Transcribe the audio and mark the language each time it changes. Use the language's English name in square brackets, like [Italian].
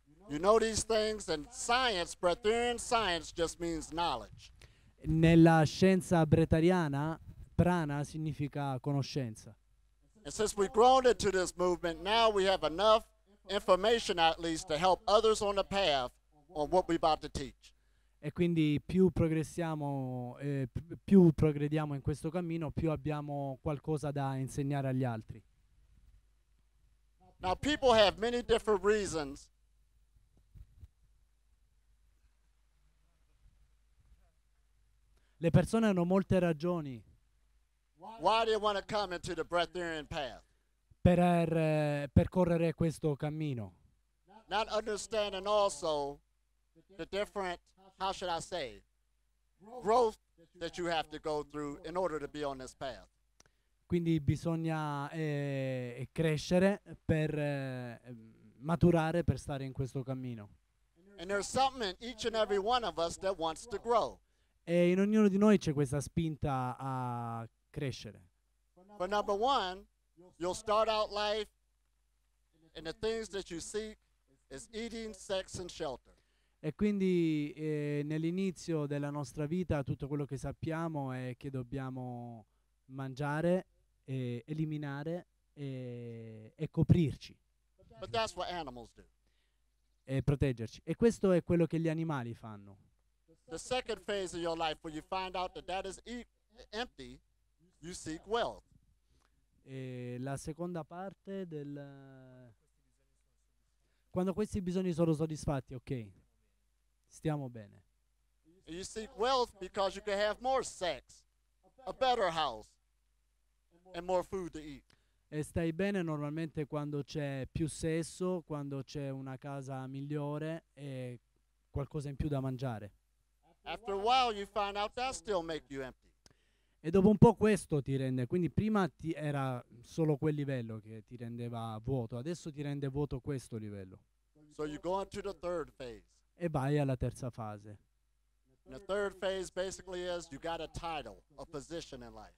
[English] You know these things, and science, Bretarian science, just means knowledge. [Italian] Nella scienza bretariana, prana significa conoscenza. [English] And since we've grown into this movement, now we have enough information at least to help others on the path on what we're about to teach. [Italian] E quindi più progressiamo, più progrediamo in questo cammino, più abbiamo qualcosa da insegnare agli altri. [English] Now people have many different reasons. [Italian] Le persone hanno molte ragioni. [English] Why do you want to come into the Bretarian path? [Italian] Per percorrere questo cammino. [English] Not understanding also the different, how should I say, growth that you have to go through in order to be on this path. [Italian] Quindi bisogna crescere per maturare, per stare in questo cammino. [English] And there's something in each and every one of us that wants to grow. [Italian] E in ognuno di noi c'è questa spinta a crescere. [English] But number one, you'll start out life and the things that you seek is eating, sex and shelter. [Italian] E quindi nell'inizio della nostra vita tutto quello che sappiamo è che dobbiamo mangiare, eliminare e coprirci. [English] But that's what animals do. [Italian] E proteggerci. E questo è quello che gli animali fanno. [English] The second phase of your life where you find out that that is empty, you seek wealth. [Italian] E la seconda parte del quando questi bisogni sono soddisfatti, ok, stiamo bene. [English] You seek wealth because you can have more sex, a better house, and more food to eat. [Italian] E stai bene normalmente quando c'è più sesso, quando c'è una casa migliore e qualcosa in più da mangiare. [English] After a while you find out that still make you empty. [Italian] E dopo un po' questo ti rende, quindi prima ti era solo quel livello che ti rendeva vuoto, adesso ti rende vuoto questo livello. [English] So you go into the third phase. [Italian] E vai alla terza fase. [English] And the third phase basically is you got a title, a position in life.